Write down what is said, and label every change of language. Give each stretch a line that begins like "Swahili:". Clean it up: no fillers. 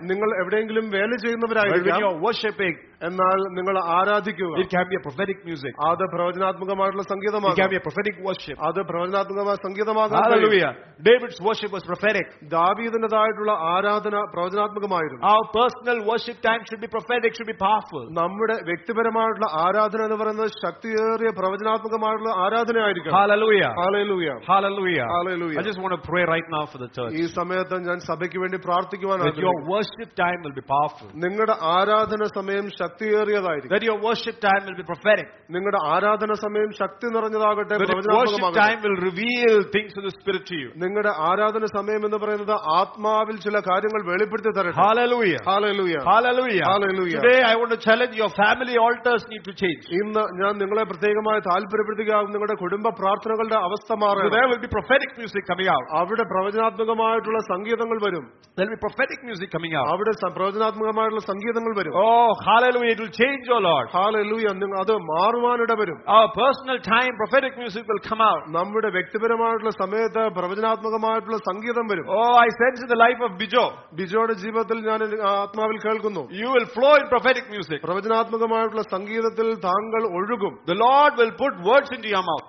Malayalam: നിങ്ങൾ എവിടെയെങ്കിലും വേല ചെയ്യുന്നവരായിരിക്കാം.
English: You are worshiping.
Malayalam: എന്നാൽ നിങ്ങൾ ആരാധിക്കുക.
English: It can be a prophetic music.
Malayalam: അത് പ്രവചനാത്മകമായിട്ടുള്ള സംഗീതമാണ്.
English: It can be a prophetic worship.
Malayalam: അത് പ്രവചനാത്മകമായ സംഗീതമാകാം.
English: Hallelujah. David's worship was prophetic.
Malayalam: ദാവീദിന്റേതായിട്ടുള്ള ആരാധന പ്രവചനാത്മകമായിരുന്നു.
English: Our personal worship time should be prophetic, should be powerful.
Malayalam: നമ്മുടെ വ്യക്തിപരമായിട്ടുള്ള ആരാധന എന്ന് പറയുന്നത് ശക്തിയേറിയ പ്രവചനാത്മകമായിട്ടുള്ള ആരാധനയായിരിക്കും.
English: Hallelujah. Hallelujah. Hallelujah. Hallelujah. I just want to pray right now for the church.
Malayalam: ഈ സമയത്ത് ഞാൻ സഭയ്ക്ക് വേണ്ടി പ്രാർത്ഥിക്കുവാൻ ആഗ്രഹിക്കുന്നു.
English: Your worship time will be powerful.
Malayalam: നിങ്ങളുടെ ആരാധന സമയം
English: That your worship time will be prophetic.
Malayalam: നിങ്ങളുടെ ആരാധന സമയം ശക്തി നിറഞ്ഞതാകട്ടെ
English: time will reveal things of the spirit to you.
Malayalam: നിങ്ങളുടെ ആരാധന സമയം എന്ന് പറയുന്നത് ആത്മാവിൽ ചില കാര്യങ്ങൾ വെളിപ്പെടുത്തി തരട്ടെ.
English: Hallelujah. Hallelujah. Hallelujah. Hallelujah. Today I want to challenge your family altars need to change.
Malayalam: ഇന്ന് ഞാൻ നിങ്ങളെ പ്രത്യേകമായി താൽപര്യപ്പെടുത്തുകയാണ് നിങ്ങളുടെ കുടുംബ പ്രാർത്ഥനകളുടെ അവസ്ഥ മാറണം.
English: There will be prophetic music coming out.
Malayalam: അവിടെ പ്രവചനാത്മകമായിട്ടുള്ള സംഗീതങ്ങൾ വരും.
English: There will be prophetic music coming out.
Malayalam: അവിടെ പ്രവചനാത്മകമായിട്ടുള്ള സംഗീതങ്ങൾ വരും.
English: Oh, hallelujah. Hallelujah. It will change, O Lord. Hallelujah. Our personal time, prophetic music will come out. Oh, I sense in the life of Bijo. Bijo's life, I am hearing. You will flow in prophetic music. The Lord will put words into your mouth.